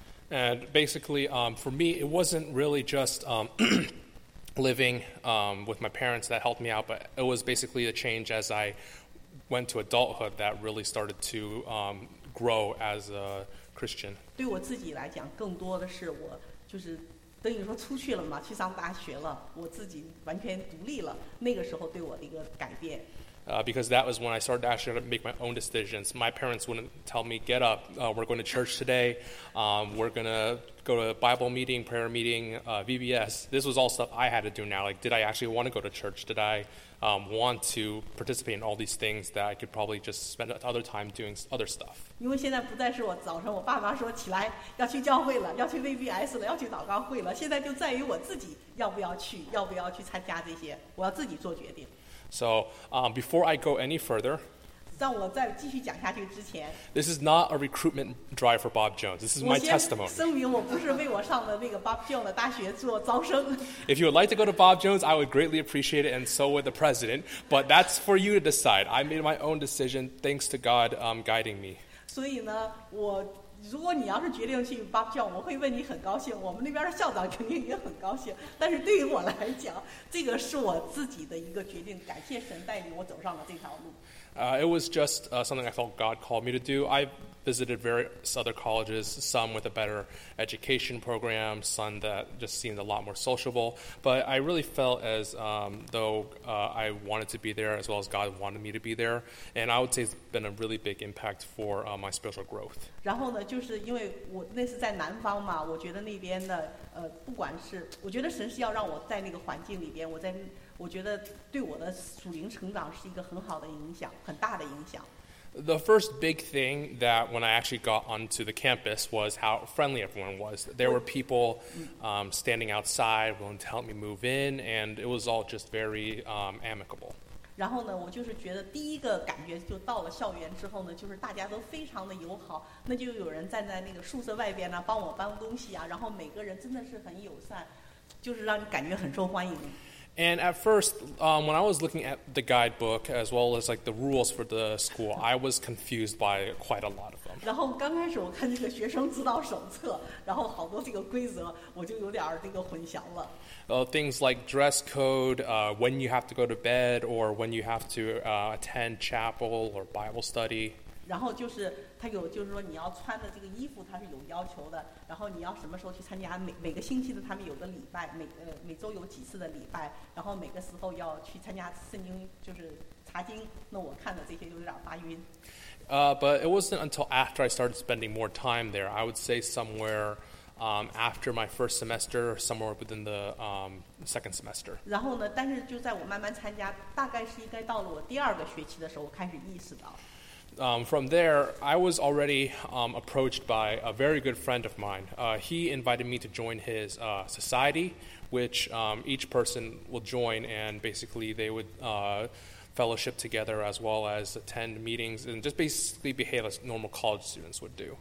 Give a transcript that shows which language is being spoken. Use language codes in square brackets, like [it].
[en] And basically for me it wasn't really just living with my parents that helped me out but it was basically a change as I went to adulthood that really started to grow as a Christian [zh] 对我自己来讲更多的是我就是等于说出去了嘛，去上大学了，我自己完全独立了。那个时候对我的一个改变。 [en] Because that was when I started actually to make my own decisions. My parents wouldn't tell me, "Get up, we're going to church today. We're going to go to Bible meeting, prayer meeting, VBS." This was all stuff I had to do now. Like, did I actually want to go to church? Did I want to participate in all these things that I could probably just spend other time doing other stuff? [zh] 因为现在不再是我早上我爸妈说起来要去教会了，要去 VBS 了，要去祷告会了。现在就在于我自己要不要去，要不要去参加这些，我要自己做决定。 [en] So, before I go any further, [zh] 让我再继续讲下去之前, [en] this is not a recruitment drive for Bob Jones. This is my testimony. [zh] 我先声明我不是为我上的那个 Bob Jones 的大学做招生。 [en] If you would like to go to Bob Jones, I would greatly appreciate it, and so would the president. But that's for you to decide. I made my own decision, thanks to God, guiding me. [zh] 所以呢，我如果你要是决定去 Bob Jones, 我会为你很高兴。我们那边的校长肯定也很高兴。但是对于我来讲，这个是我自己的一个决定。感谢神带领我走上了这条路。 [en] It was just something I felt God called me to do. I visited various other colleges, some with a better education program, some that just seemed a lot more sociable. But I really felt as though I wanted to be there as well as God wanted me to be there. And I would say it's been a really big impact for my spiritual growth. [zh] 然后呢，就是因为我那是在南方嘛，我觉得那边的不管是，我觉得神是要让我在那个环境里边，我在我觉得对我的属灵成长是一个很好的影响，很大的影响。 [en] The first big thing that when I actually got onto the campus was how friendly everyone was. There were people standing outside willing to help me move in, and it was all just very amicable. [zh] 然后呢，我就是觉得第一个感觉就到了校园之后呢，就是大家都非常的友好，那就有人站在那个宿舍外边呢，帮我搬东西啊，然后每个人真的是很友善，就是让你感觉很受欢迎。 [en] And at first, when I was looking at the guidebook, as well as like the rules for the school, I was confused by quite a lot of them. [zh] 然后刚开始我看这个学生指导手册，然后好多这个规则，我就有点这个混淆了。 [en] Things like dress code, when you have to go to bed, or when you have to attend chapel or Bible study. [zh] 然后就是他有，就是说你要穿的这个衣服，他是有要求的。然后你要什么时候去参加每个星期的他们有个礼拜，每周有几次的礼拜，然后每个时候要去参加圣经就是查经。那我看的这些就有点发晕。 [en] But it wasn't until after I started spending more time there, I would say somewhere after my first semester, somewhere within the second semester. [zh] 然后呢，但是就在我慢慢参加，大概是应该到了我第二个学期的时候，我开始意识到。 [en] From there, I was already approached by a very good friend of mine. He invited me to join his society, which each person will join, and basically they would fellowship together as well as attend meetings and just basically behave as normal college students would do.